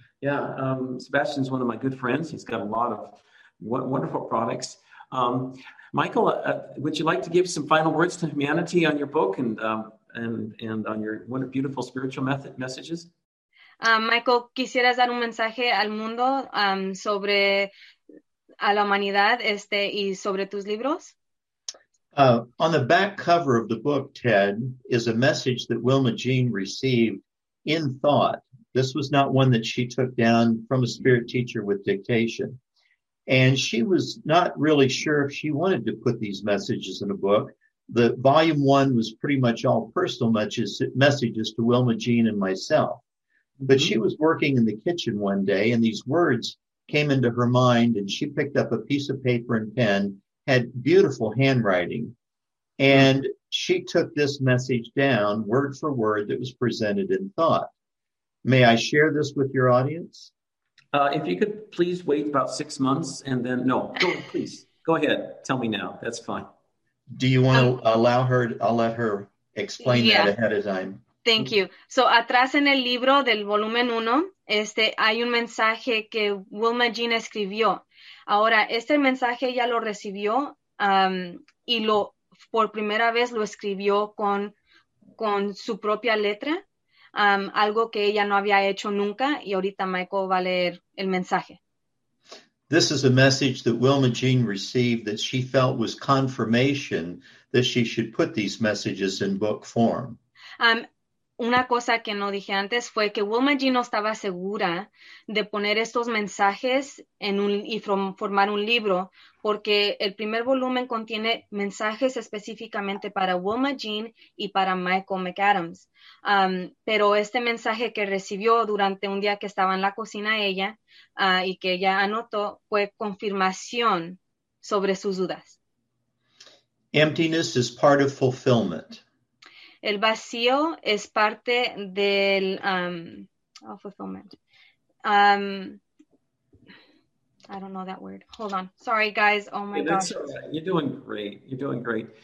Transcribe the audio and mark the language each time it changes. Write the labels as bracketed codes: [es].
[en] Yeah, Sebastian's one of my good friends. He's got a lot of wonderful products. Michael, would you like to give some final words to humanity on your book and on your wonderful, beautiful spiritual messages? [es] Michael, ¿quisieras dar un mensaje al mundo sobre a la humanidad y sobre tus libros? [en] On the back cover of the book, Ted, is a message that Wilma Jean received in thought. This was not one that she took down from a spirit teacher with dictation. And she was not really sure if she wanted to put these messages in a book. The volume one was pretty much all personal messages to Wilma Jean and myself. But she was working in the kitchen one day, and these words came into her mind, and she picked up a piece of paper and pen, had beautiful handwriting, and she took this message down word for word that was presented in thought. May I share this with your audience? If you could please wait about 6 months and then, no, go, please, go ahead. Tell me now. That's fine. Do you want to allow her, I'll let her explain that ahead of time. Thank you. [es] So, atrás en el libro del volumen 1, hay un mensaje que Wilma Jean escribió. Ahora, este mensaje ella lo recibió y lo por primera vez lo escribió con su propia letra, algo que ella no había hecho nunca, y ahorita Michael va a leer el mensaje. [en] This is a message that Wilma Jean received that she felt was confirmation that she should put these messages in book form. [es] Una cosa que no dije antes fue que Wilma Jean no estaba segura de poner estos mensajes formar un libro, porque el primer volumen contiene mensajes específicamente para Wilma Jean y para Michael McAdams. Pero este mensaje que recibió durante un día que estaba en la cocina ella y que ella anotó fue confirmación sobre sus dudas. [en] Emptiness is part of fulfillment. [es] El vacío es parte del fulfillment. [en] I don't know that word. Hold on. Sorry, guys. Oh, my gosh. Right. You're doing great. You're doing great.